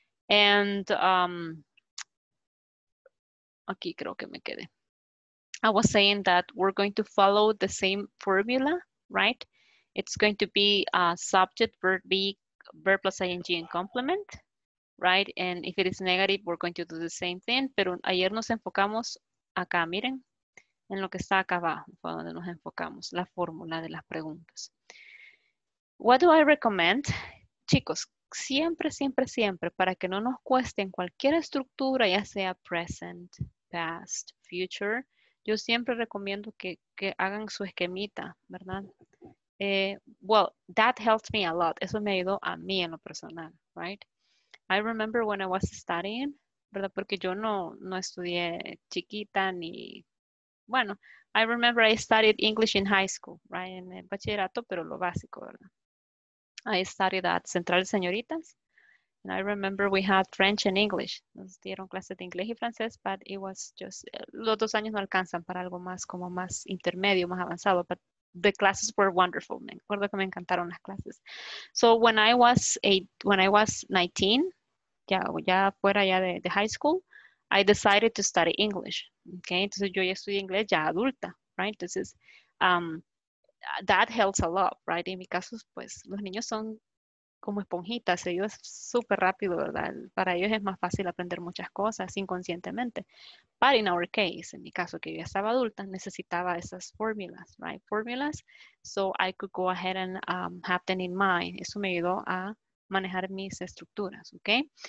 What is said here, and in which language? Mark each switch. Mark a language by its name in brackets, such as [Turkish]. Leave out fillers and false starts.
[Spanish] And aquí creo que me quedé. [English] I was saying that we're going to follow the same formula, right? It's going to be a subject, verb, be verb plus ing and complement, right? And if it is negative, we're going to do the same thing. [Spanish] Pero ayer nos enfocamos acá, miren, en lo que está acá abajo, fue donde nos enfocamos, la fórmula de las preguntas. [English] What do I recommend? [Spanish] Chicos, siempre, siempre, siempre, para que no nos cueste en cualquier estructura, ya sea present, past, future, yo siempre recomiendo que hagan su esquemita, ¿verdad? [English] Well, that helped me a lot. [Spanish] Eso me ayudó a mí en lo personal, right? [English] I remember when I was studying, ¿verdad? [Spanish] Porque yo no estudié chiquita ni... [English] Bueno, I remember I studied English in high school, right? [Spanish] En el bachillerato, pero lo básico, ¿verdad? [English] I studied at Central de Señoritas. And I remember we had French and English. [Spanish] Nos dieron clases de inglés y francés, [English] but it was just... [Spanish] Los dos años no alcanzan para algo más, como más intermedio, más avanzado, [English] but the classes were wonderful. [Spanish] Me acuerdo que me encantaron las clases. [English] So when I was when I was 19, [Spanish] ya fuera ya de [English] high school, I decided to study English. [Spanish] Okay, entonces yo ya estudié inglés ya adulta, right? Entonces, [English] that helps a lot, right? [Spanish] En mi caso, pues los niños son como esponjitas, ellos súper rápido, ¿verdad? Para ellos es más fácil aprender muchas cosas inconscientemente. [English] But in our case, [Spanish] en mi caso que yo ya estaba adulta, necesitaba esas fórmulas, right? [English] Fórmulas, so I could go ahead and have them in mind. [Spanish] Eso me ayudó a manejar mis estructuras, okay?